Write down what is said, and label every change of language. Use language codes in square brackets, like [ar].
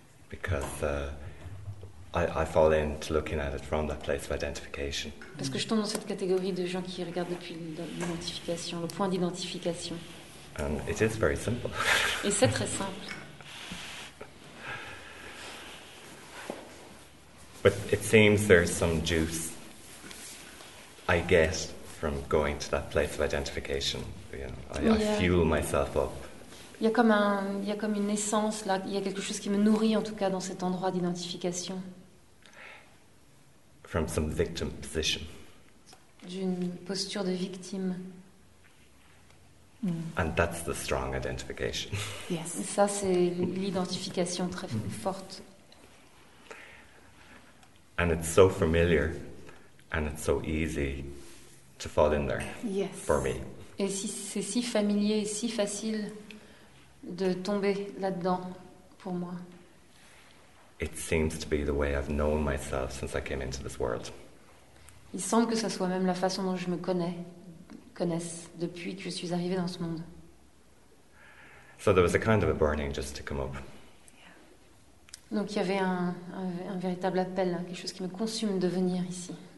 [en] Because I fall into looking at it from that place of identification. [fr] Parce que je tombe dans cette catégorie de gens qui regardent depuis l'identification, le point d'identification. [en] And it is very simple. [fr] Et c'est très simple. [en] But it seems there's some juice I get from going to that place of identification. You know, I fuel myself up. [fr] Il y a comme une essence là. Il y a quelque chose qui me nourrit en tout cas dans cet endroit d'identification. [en] From some victim position. [fr] D'une posture de victime. [en] And that's the strong identification. Yes. [fr] Ça c'est l'identification très forte. [en] And it's so familiar, and it's so easy to fall in there. Yes. For me. [fr] Et si c'est si familier, si facile de tomber là-dedans pour moi. [en] It seems to be the way I've known myself since I came into this world. [fr] Il semble que ça soit même la façon dont je me connaisse depuis que je suis arrivée dans ce monde. [en] So there was a kind of a burning just to come up. Yeah. [fr] Donc il y avait un véritable appel, quelque chose qui me consume de venir ici.